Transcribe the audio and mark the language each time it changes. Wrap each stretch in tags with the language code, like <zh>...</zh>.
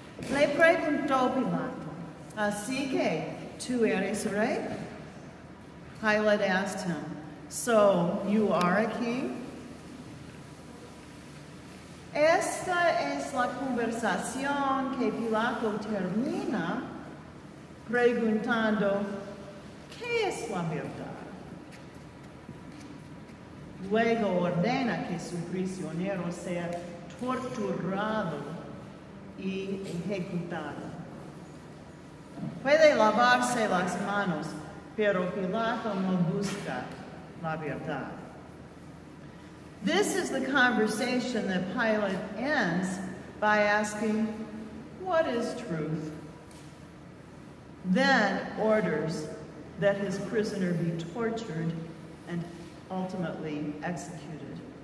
<es>le preguntó Pilato, así que tú eres rey?</es> <en>Pilate asked him, so you are a king?</en> <es>Esta es la conversación que Pilato termina preguntando, ¿qué es la verdad? Luego ordena que su prisionero sea torturado y ejecutado. Puede lavarse las manos, pero Pilato no busca la verdad.</es> <en>This is the conversation that Pilate ends by asking, what is truth? Then orders that his prisoner be tortured and ultimately executed.</en>